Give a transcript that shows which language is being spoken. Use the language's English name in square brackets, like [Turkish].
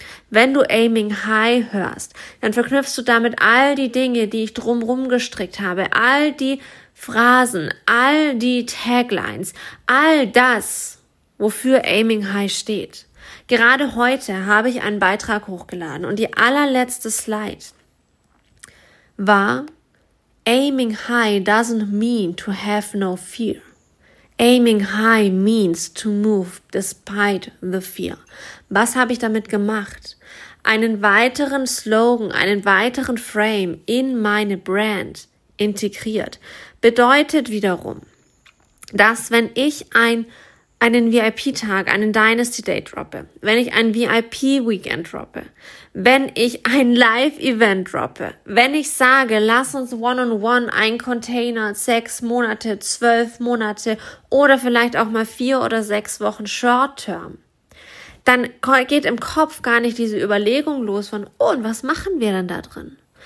[German] Wenn du Aiming High hörst, dann verknüpfst du damit all die Dinge, die ich drumherum gestrickt habe, all die Phrasen, all die Taglines, all das, wofür Aiming High steht. Gerade heute habe ich einen Beitrag hochgeladen und die allerletzte Slide war: [English] Aiming High doesn't mean to have no fear. Aiming High means to move despite the fear. [German] Was habe ich damit gemacht? Einen weiteren Slogan, einen weiteren Frame in meine Brand integriert. Bedeutet wiederum, dass wenn ich einen VIP-Tag, einen Dynasty Day droppe, wenn ich ein VIP-Weekend droppe, wenn ich ein Live-Event droppe, wenn ich sage, lass uns one-on-one einen Container 6 Monate, 12 Monate oder vielleicht auch mal 4 oder 6 Wochen Short-Term, dann geht im Kopf gar nicht diese Überlegung los von, oh, und was machen wir denn da drin?